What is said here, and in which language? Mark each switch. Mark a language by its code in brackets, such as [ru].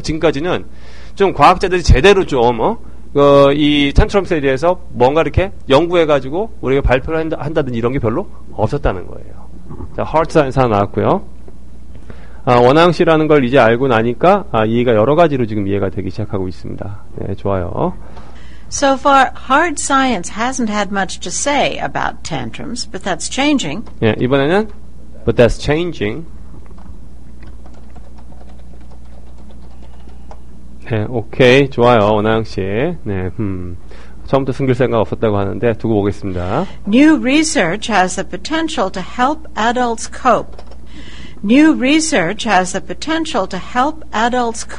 [ko] 지금까지는 좀 과학자들이 제대로 좀 이 tantrums에 대해서 뭔가 이렇게 연구해가지고 우리가 발표를 한다든지 이런 게 별로 없었다는 거예요. 자, hard science 하나 나왔고요. 원앙 씨라는 걸 이제 알고 나니까 이해가 여러 가지로 지금 이해가 되기 시작하고 있습니다. 네, 좋아요. [en] So far, hard science hasn't had much to say about tantrums, but that's changing. [ko] 예, 이번에는 [en] but that's changing. [ko] 네, 오케이, 좋아요, 원하영 씨. 네, 처음부터 숨길 생각 없었다고 하는데 두고 보겠습니다. [en] New research has the potential to help adults cope. New research has the potential to help adults.